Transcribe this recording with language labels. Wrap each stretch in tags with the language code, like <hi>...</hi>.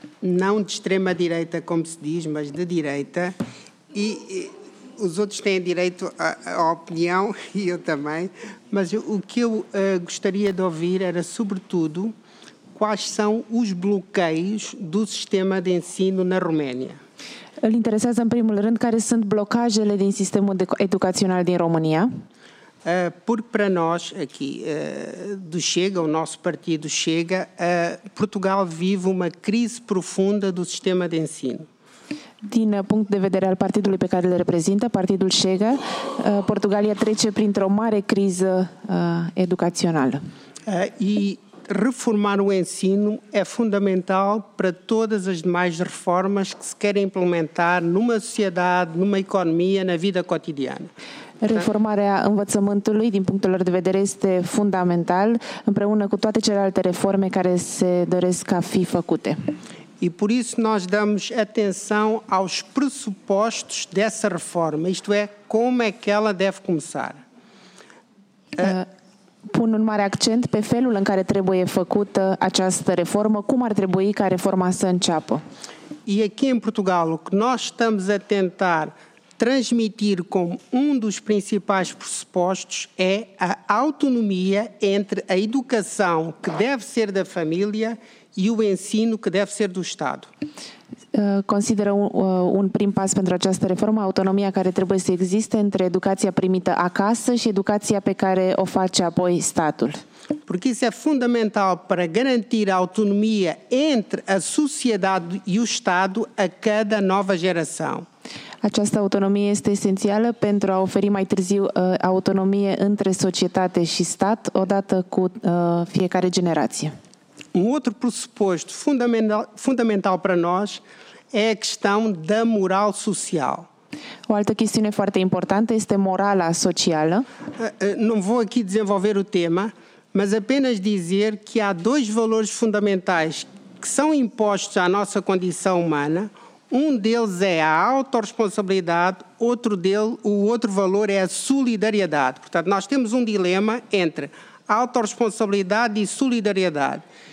<pt>Não de extrema direita, como se diz, mas de direita. E os outros têm direito à opinião, e eu também. Mas o que eu gostaria de ouvir era, sobretudo, quais são os bloqueios do sistema de ensino na Roménia.</pt> <ro>Îl interesează în primul rând care sunt blocajele din sistemul educațional din România?</ro> <pt>Porque para nós aqui do Chega, o nosso partido Chega, Portugal vive uma crise profunda do sistema de ensino.</pt> <ro>Din punct de vedere al partidului pe care îl reprezintă, partidul Chega, Portugalia trece printr-o mare criză educațională.</ro> <pt>Reformar o ensino é fundamental para todas as demais reformas que se querem implementar numa sociedade, numa economia, na vida cotidiana.</pt> <ro>Reformarea învățământului, din punctul lor de vedere, este fundamental, împreună cu toate celelalte reforme care se doresc a fi făcute.</ro> <pt>E por isso nós damos atenção aos pressupostos dessa reforma, isto é, como é que ela deve começar.</pt> <ro>Pun un mare accent pe felul în care trebuie făcută această reformă, cum ar trebui ca reforma să înceapă.</ro> <pt>E aqui em Portugal, o que nós estamos a tentar transmitir como um dos principais pressupostos é a autonomia entre a educação que deve ser da família e o ensino que deve ser do Estado.</pt> <ro>Consideră un prim pas pentru această reformă, autonomia care trebuie să existe între educația primită acasă și educația pe care o face apoi statul.</ro> <pt>Porque isso é fundamental para garantir a autonomia entre a sociedade e o Estado a cada nova geração.</pt> <ro>Această autonomie este esențială pentru a oferi mai târziu autonomie între societate și stat odată cu fiecare generație.</ro> <pt>Um outro pressuposto fundamental para nós é a questão da moral social.</pt> <ro>O altă chestiune foarte importantă este morala socială.</ro> <pt>Não vou aqui desenvolver o tema, mas apenas dizer que há dois valores fundamentais que são impostos à nossa condição humana. Um deles é a autorresponsabilidade, o outro valor é a solidariedade. Portanto, nós temos um dilema entre autorresponsabilidade e solidariedade.</pt>